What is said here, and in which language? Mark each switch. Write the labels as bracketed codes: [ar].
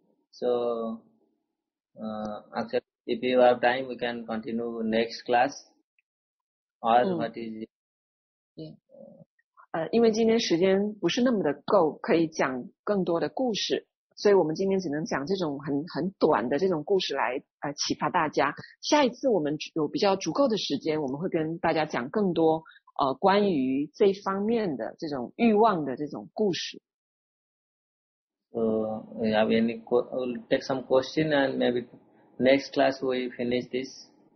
[en] So actually if you have time, we can continue next class. Or what is it? Yeah. [zh] 因为今天时间不是那么的够可以讲更多的故事，所以我们今天只能讲这种很短的这种故事来启发大家。下一次我们有比较足够的时间，我们会跟大家讲更多关于这方面的这种欲望的这种故事。 [en] Have any we'll take some question and maybe next class we finish this.